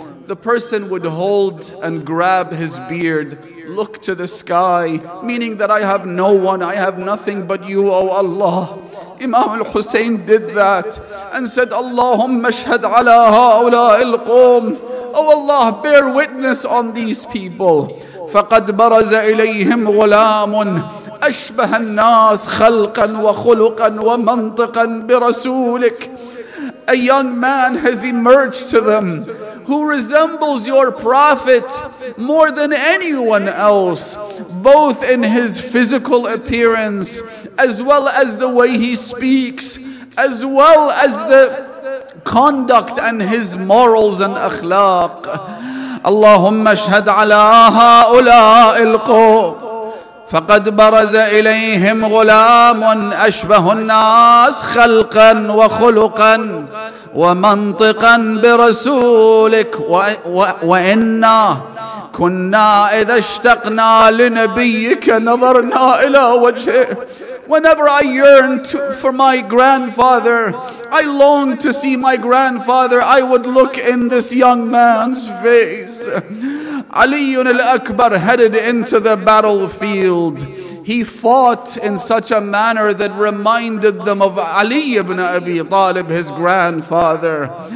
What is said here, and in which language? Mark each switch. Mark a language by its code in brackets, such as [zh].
[en] The person would hold and grab his beard, look to the sky, meaning that I have no one, I have nothing but you, O Allah. [ar] Imam al-Hussein [en] did that and said, [ar] Allahumma shahad ala ha'ula'i al-qawm. [en] O Allah, bear witness on these people. [ar] Faqad baraza ilayhim ghulamun. أشبه الناس خلقا وخلقا ومنطقا برسولك. [en] A young man has emerged to them who resembles your prophet more than anyone else, both in his physical appearance, as well as the way he speaks, as well as the conduct and his morals and akhlaq. [ar] اللهم اشهد على هؤلاء القوم. فقد برز إليهم غلام أشبه الناس خلقا وخلقا ومنطقا برسولك وإنا كنا إذا اشتقنا لنبيك نظرنا إلى وجهه. [en] Whenever I yearned for my grandfather, I longed to see my grandfather, I would look in this young man's face. Ali al-Akbar headed into the battlefield. He fought in such a manner that reminded them of Ali ibn Abi Talib, his grandfather.